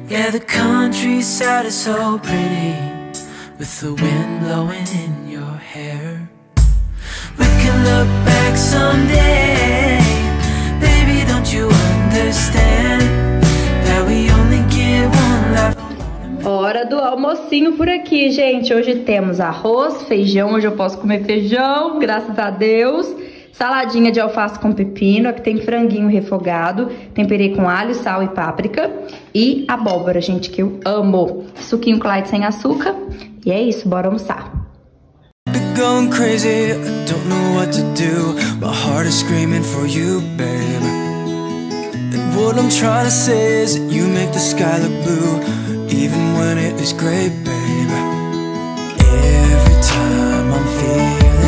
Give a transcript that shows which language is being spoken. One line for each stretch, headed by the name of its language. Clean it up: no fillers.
English: The countryside is so pretty. With the wind blowing in your hair. We can look back someday. Baby, don't you understand? That we only get one life.
Portuguese: Hora do almocinho por aqui, gente. Hoje temos arroz, feijão. Hoje eu posso comer feijão, graças a Deus. Saladinha de alface com pepino, aqui tem franguinho refogado, temperei com alho, sal e páprica. E abóbora, gente, que eu amo. Suquinho Clyde sem açúcar. E é isso, bora almoçar.
English: Been going crazy, I don't know what to do. My heart is screaming for you, babe. And what I'm trying to say is that you make the sky look blue. Even when it is gray, babe. Every time I'm feeling.